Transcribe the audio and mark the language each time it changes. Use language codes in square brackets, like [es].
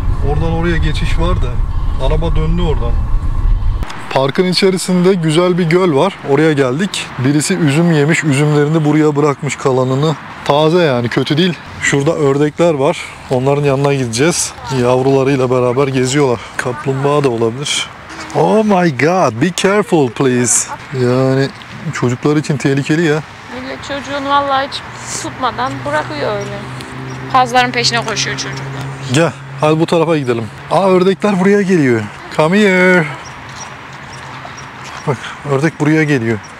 [tr] Oradan oraya geçiş var da araba döndü oradan. Parkın içerisinde güzel bir göl var. Oraya geldik. Birisi üzüm yemiş, üzümlerini buraya bırakmış kalanını. Taze yani, kötü değil. Şurada ördekler var. Onların yanına gideceğiz. Yavrularıyla beraber geziyorlar. Kaplumbağa da olabilir. [en] Oh my god, be careful please. [tr] Yani çocuklar için tehlikeli ya. Çocuğun vallahi hiç tutmadan bırakıyor öyle. Pazların peşine koşuyor çocuklar. Gel, hadi bu tarafa gidelim. Aa, ördekler buraya geliyor. [en] Come here. [tr] Bak, ördek buraya geliyor.